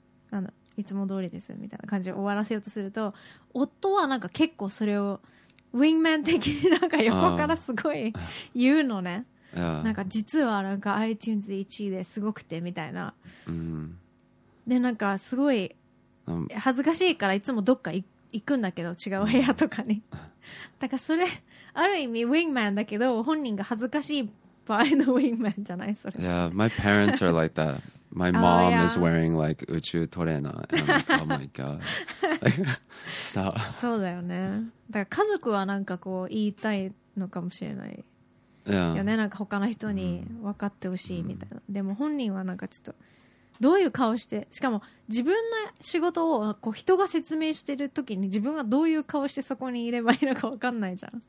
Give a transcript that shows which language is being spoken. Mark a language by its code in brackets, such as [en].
[ja] なんだいつも通りですみたいな感じで終わらせようとすると夫はなんか結構それをウィングマン的になんか横からすごい言うのね、なんか実はなんか iTunes で1位ですごくてみたいな、でなんかすごい恥ずかしいからいつもどっか行くんだけど違う部屋とかに、だからそれある意味ウィングマンだけど本人が恥ずかしい場合のウィングマンじゃないそれ。 [en] Yeah, my parents are like thatMy mom is wearing like [ja] 宇宙トレーナー [en] and I'm like, oh my god. Stop. [ja] そうだよね。だから家族はなんかこう言いたいのかもしれない、 [en] yeah. [ja] よね。なんか他の人に分かってほしいみたいな。でも本人はなんかちょっとどういう顔して、しかも自分の仕事をこう人が説明してる時に自分がどういう顔してそこにいればいいのか分かんないじゃん。